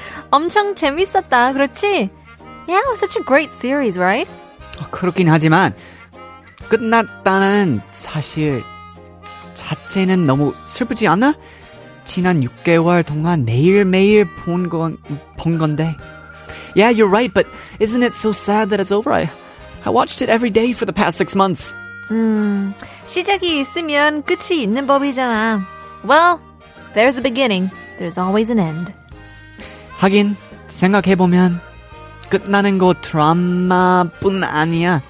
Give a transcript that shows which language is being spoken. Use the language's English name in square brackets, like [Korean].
[Korean] 엄청 재밌었다, 그렇지? [English] Yeah, it was such a great series, right? [Korean] 그렇긴 하지만 끝났다는 사실 자체는 너무 슬프지 않아? 지난 6개월 동안 매일매일 본 건데 [English] Yeah, you're right, but isn't it so sad that it's over? I watched it every day for the past 6 months. [Korean] 시작이 있으면 끝이 있는 법이잖아. [English] Well, there's a beginning. There's always an end. [Korean] 하긴, 생각해보면 끝나는 거 드라마뿐 아니야.